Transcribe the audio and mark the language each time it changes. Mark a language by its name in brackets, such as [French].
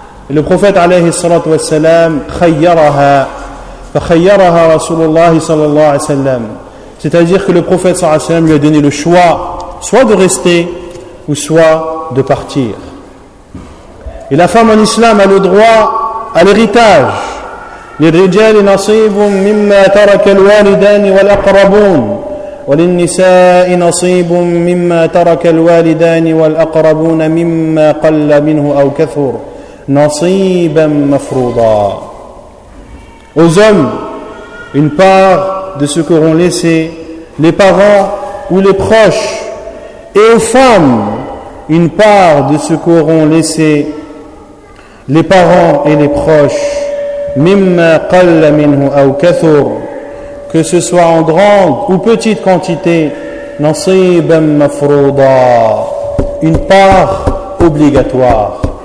[French] Et le prophète alayhi salatu wa sallam [Arabic] khayyaraha rasulullah [French] sallallahu alayhi wa sallam, c'est-à-dire que le prophète sallallahu alayhi wa sallam lui a donné le choix soit de rester ou soit de partir. Et la femme en islam a le droit à l'héritage. [Arabic] للرجال نصيب مما ترك الوالدان والأقربون وللنساء نصيب مما ترك الوالدان والأقربون مما قل منه أو كثر نصيبا مفروضا. [French] Aux hommes, une part de ce qu'auront laissé les parents ou les proches, et aux femmes, une part de ce qu'auront laissé les parents et les proches, [Arabic] mimma qalla minhu aw kathur, [French] que ce soit en grande ou petite quantité, [Arabic] nasiban mafrouda, [French] une part obligatoire.